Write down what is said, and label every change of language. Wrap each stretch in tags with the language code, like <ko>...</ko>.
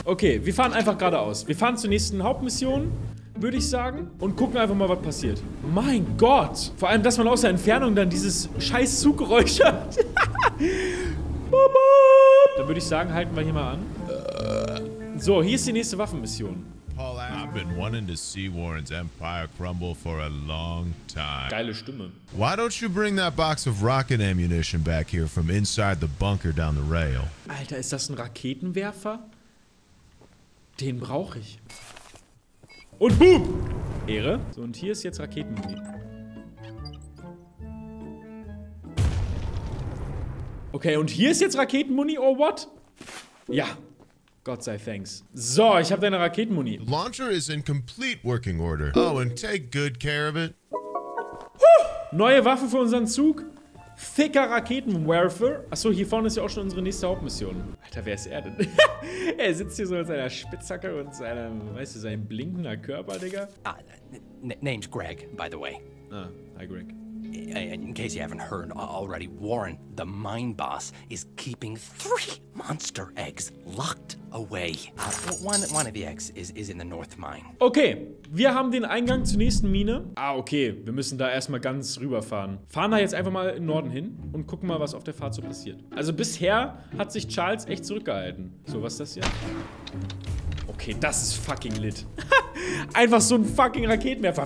<de>Okay, wir fahren einfach geradeaus. Wir fahren zur nächsten Hauptmission, würde ich sagen. Und gucken einfach mal, was passiert. Mein Gott. Vor allem, dass man aus der Entfernung dann dieses scheiß Zuggeräusch hat. Dann würde ich sagen, halten wir hier mal an. So, hier ist die nächste Waffenmission.</de> <en>Paul, I've been wanting to see Warren's empire crumble for a long time.</en> <de>Geile Stimme.</de> <en>Why don't you bring that box of rocket ammunition back here from inside the bunker down the rail?</en> <de>Alter, ist das ein Raketenwerfer? Den brauche ich. Und boom! Ehre. So, und hier ist jetzt Raketenwerfer. Okay, und hier ist jetzt Raketenmuni,</de> <en>or what?</en> <de>Ja. Gott sei thanks. So, ich habe deine Raketenmuni.</de> <en>Launcher is in complete working order. Oh, and take good care of it.</en> <de>Huh, neue Waffe für unseren Zug. Thicker Raketenwerfer. Achso, hier vorne ist ja auch schon unsere nächste Hauptmission. Alter, wer ist er denn? Er sitzt hier so mit seiner Spitzhacke und seinem, weißt du, seinem blinkenden Körper, Digga.</de> <en>Name's Greg, by the way. Ah, hi Greg. In case you haven't heard already, Warren, the mine boss, is keeping 3 monster eggs locked away. One of the eggs is in the north mine.</en> <de>Okay, wir haben den Eingang zur nächsten Mine. Ah, okay, wir müssen da erstmal ganz rüberfahren. Fahren da jetzt einfach mal in Norden hin und gucken mal, was auf der Fahrt so passiert. Also bisher hat sich Charles echt zurückgehalten. So, was ist das hier? Okay, das ist</de> <en>fucking lit.</en> <de>Einfach so ein fucking Raketenwerfer.</de>